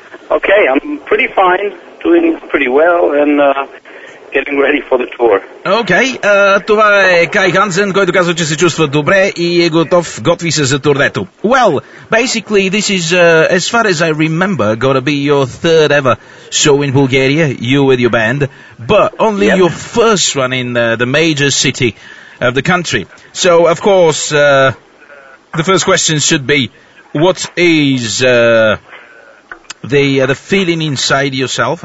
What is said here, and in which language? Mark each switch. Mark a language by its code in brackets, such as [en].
[en] Okay, I'm pretty fine, doing pretty well, and getting ready for the tour. [bg] Okay, това е Кай Хансен, който казва, че се чувства добре и е готов, готви се за турнето. [en] Well, basically, this is, as far as I remember, gonna be your third ever show in Bulgaria, you with your band, but only yep. your first one in the major city of the country. So, of course, the first question should be, what is the feeling inside yourself?